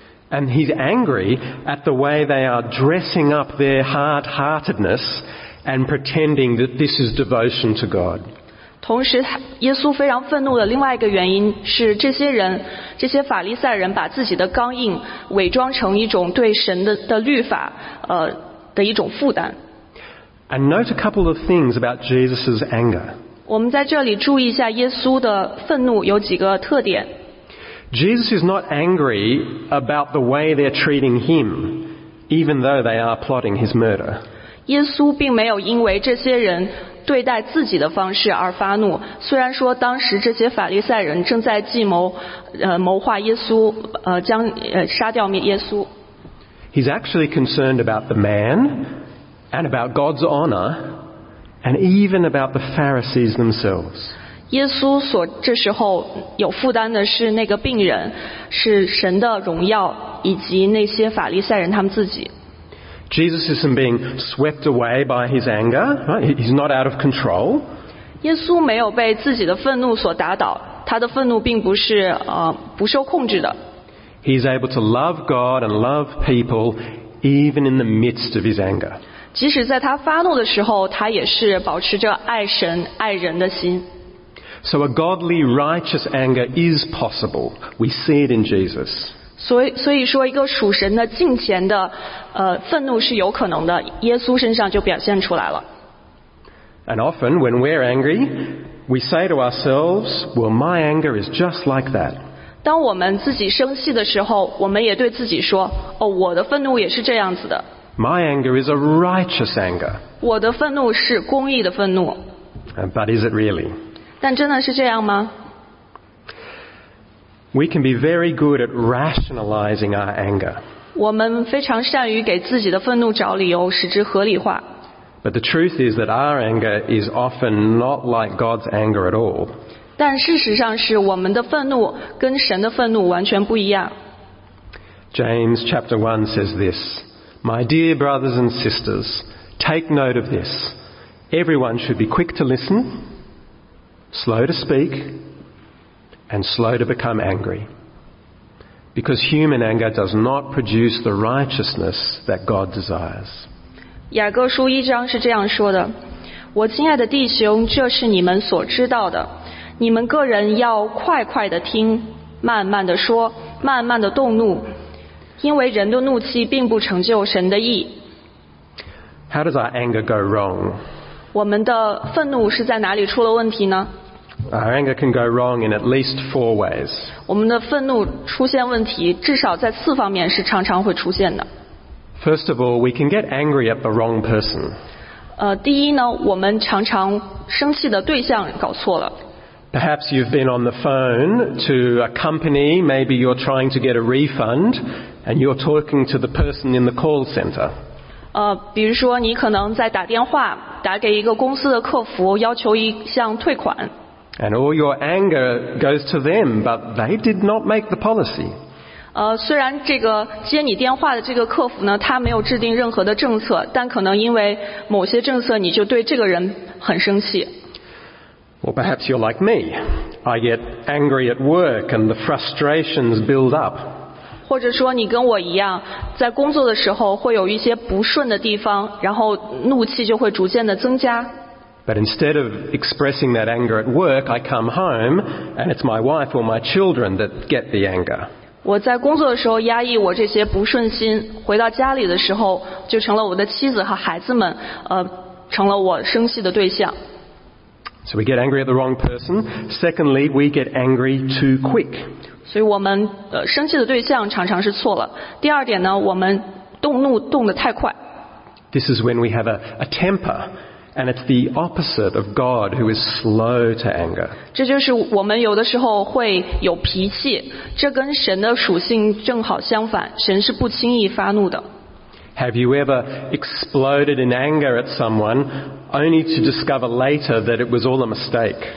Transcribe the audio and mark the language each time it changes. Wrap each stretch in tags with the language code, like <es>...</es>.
<en>And he's angry at the way they are dressing up their hard-heartedness and pretending that this is devotion to God.</en> <zh>同时耶稣非常愤怒的另外一个原因是这些人这些法利赛人把自己的刚硬伪装成一种对神 的律法的一种负担。</zh> <en>And note a couple of things about Jesus' anger.</en> <zh>我们在这里注意一下耶稣的愤怒有几个特点。</zh> <en>Jesus is not angry about the way they're treating him, even though they are plotting his murder.</en> <zh>耶稣并没有因为这些人对待自己的方式而发怒，虽然说当时这些法利赛人正在计谋谋划耶稣将杀掉耶稣。</zh> <en>He's actually concerned about the man and about God's honor and even about the Pharisees themselves.</en> <zh>耶稣所这时候有负担的是那个病人，是神的荣耀以及那些法利赛人他们自己。</zh> <en>Jesus isn't being swept away by his anger. He's not out of control.</en> <zh>耶稣没有被自己的愤怒所打倒，他的愤怒并不是不受控制的。</zh> <en>He's able to love God and love people even in the midst of his anger.</en> <zh>即使在他发怒的时候，他也是保持着爱神爱人的心。</zh> <en>So a godly righteous anger is possible. We see it in Jesus.</en> <zh>所以说一个属神的敬虔的愤怒是有可能的，耶稣身上就表现出来了。</zh> <en>And often when we're angry, we say to ourselves, well, my anger is just like that.</en> <zh>当我们自己生气的时候，我们也对自己说，哦，我的愤怒也是这样子的。</zh> <en>My anger is a righteous anger.</en> <zh>我的愤怒是公义的愤怒。</zh> <en>But is it really?</en> <zh>但真的是这样吗？</zh> <en>We can be very good at rationalizing our anger.</en> <zh>我们非常善于给自己的愤怒找理由，使之合理化。</zh> <en>But the truth is that our anger is often not like God's anger at all.</en> <zh>但事实上是我们的愤怒跟神的愤怒完全不一样。</zh> <en>James chapter 1 says this, My dear brothers and sisters, take note of this. Everyone should be quick to listen, slow to speak, and slow to become angry. Because human anger does not produce the righteousness that God desires.</en> <zh>雅各书一章是这样说的，我亲爱的弟兄，这是你们所知道的。你们个人要快快地听，慢慢地说，慢慢地动怒，因为人的怒气并不成就神的意。</zh> <en>How does our anger go wrong?</en> <zh>我们的愤怒是在哪里出了问题呢？</zh> <en>Our anger can go wrong in at least four ways.</en> <zh>我们的愤怒出现问题，至少在四方面是常常会出现的。</zh> <en>First of all, we can get angry at the wrong person.</en> <zh>第一呢，我们常常生气的对象搞错了。</zh> <en>Perhaps you've been on the phone to a company, maybe you're trying to get a refund, and you're talking to the person in the call center.</en> <zh>比如说你可能在打电话，打给一个公司的客服，要求一项退款。</zh> <en>And all your anger goes to them, but they did not make the policy.</en> <zh>虽然这个接你电话的这个客服呢，他没有制定任何的政策，但可能因为某些政策，你就对这个人很生气。</zh> <en>Or perhaps you're like me. I get angry at work and the frustrations build up.</en> <zh>或者说你跟我一样，在工作的时候会有一些不顺的地方，然后怒气就会逐渐的增加。</zh> <en>But instead of expressing that anger at work, I come home and it's my wife or my children that get the anger.</en> <zh>我在工作的时候压抑我这些不顺心，回到家里的时候就成了我的妻子和孩子们，成了我生气的对象。</zh> <en>So we get angry at the wrong person. Secondly, we get angry too quick.</en> <zh>所以我们生气的对象常常是错了。第二点呢，我们动怒动得太快。</zh> <en>This is when we have a temper, and it's the opposite of God, who is slow to anger.</en> <zh>这就是我们有的时候会有脾气，这跟神的属性正好相反，神是不轻易发怒的。</zh> <en>Have you ever exploded in anger at someone only to discover later that it was all a mistake?</en>